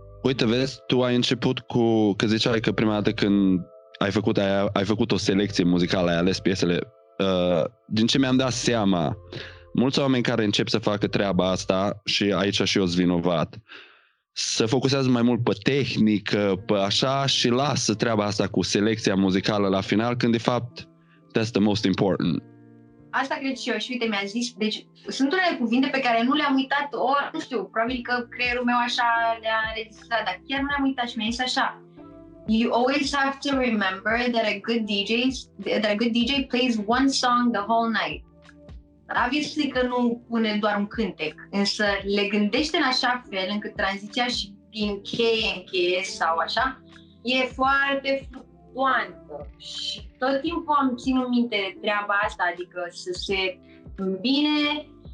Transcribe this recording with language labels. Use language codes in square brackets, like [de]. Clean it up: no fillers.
[ro] Uite, vezi, tu ai început cu, că ziceai că prima dată când ai făcut o selecție muzicală, ai ales piesele, din ce mi-am dat seama, mulți oameni care încep să facă treaba asta, și aici și eu-s vinovat, se focusează mai mult pe tehnică, pe așa, și lasă treaba asta cu selecția muzicală la final, când de fapt, [en] that's the most important. [ro] Asta cred și eu și uite, mi-a zis, deci sunt unele cuvinte pe care nu le-am uitat, ori, nu știu, probabil că creierul meu așa le-a registrat, dar chiar nu le-am uitat și mi-a zis așa. [en] You always have to remember that a good DJ plays one song the whole night. [ro] Obviously că nu pune doar un cântec, însă le gândește în așa fel încât tranziția și din cheie în cheie sau așa, e foarte fluctuantă. Și tot timpul am ținut minte treaba asta, adică să se îmbine.